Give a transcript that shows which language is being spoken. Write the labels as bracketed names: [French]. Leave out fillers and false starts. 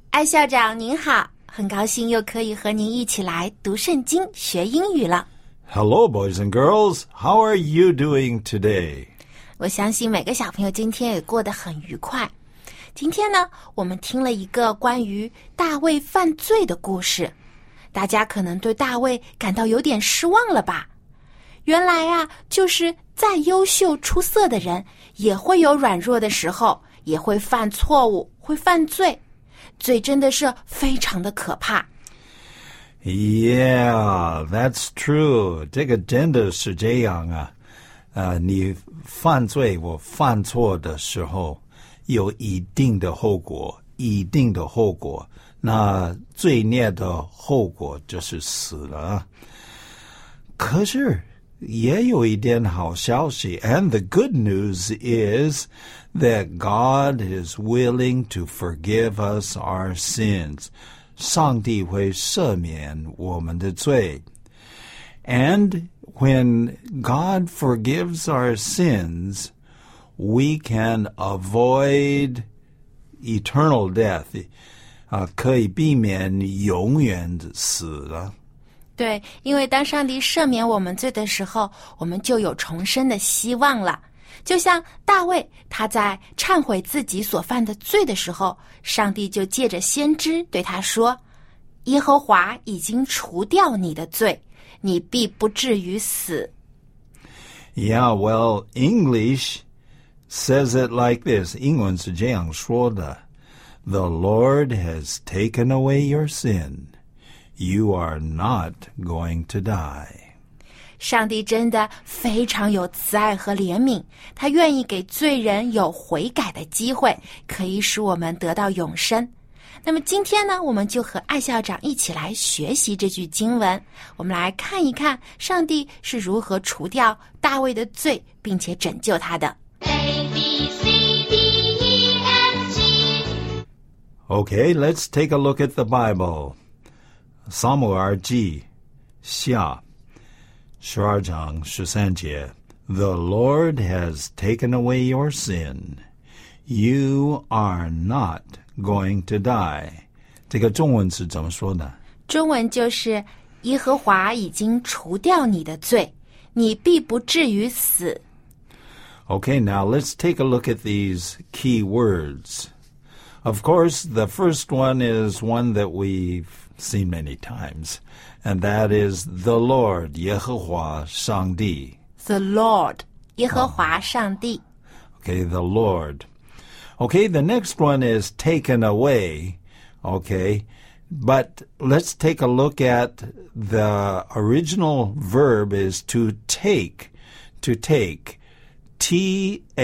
[Chinese] 校长您好，很高兴又可以和您一起来读圣经学英语了。 [English] Hello boys and girls, how are you doing today? [Chinese] 我相信每个小朋友今天也过得很愉快。今天呢，我们听了一个关于大卫犯罪的故事，大家可能对大卫感到有点失望了吧。原来啊，就是再优秀出色的人也会有软弱的时候，也会犯错误，会犯罪，罪真的是非常的可怕。 [English] Yeah, that's true. [Chinese] 这个真的是这样啊。你犯罪，我犯错的时候，有一定的后果，一定的后果。那罪孽的后果就是死了。可是也有一点好消息。 [English] And the good news is that God is willing to forgive us our sins. [Chinese] 上帝会赦免我们的罪。 [English] And when God forgives our sins, we can avoid eternal death. [Chinese] 可以避免永远的死了。对，因为当上帝赦免我们罪的时候，我们就有重生的希望了。就像大卫他在忏悔自己所犯的罪的时候，上帝就借着先知对他说，耶和华已经除掉你的罪，你必不至于死。 [English] Yeah, well, English says it like this. [Chinese] 英文是这样说的， [English] The Lord has taken away your sin. You are not going to die. [Chinese] 上帝真的非常有慈爱和怜悯，他愿意给罪人有悔改的机会，可以使我们得到永生。那么今天呢，我们就和艾校长一起来学习这句经文，我们来看一看上帝是如何除掉大卫的罪，并且拯救他的。 [English] Okay, let's take a look at the Bible. 撒母耳记下十二章十三节 The Lord has taken away your sin. You are not going to die. [Chinese] 这个中文是怎么说呢？中文就是耶和华已经除掉你的罪，你必不至于死。 [English] Okay, now let's take a look at these key words. Of course, the first one is one that we've seen many times, and that is the Lord, 耶和华上帝 The Lord, 耶和华上帝 Okay, the Lord. Okay, the next one is taken away, okay, but let's take a look at the original verb is to take, T-A-K-E.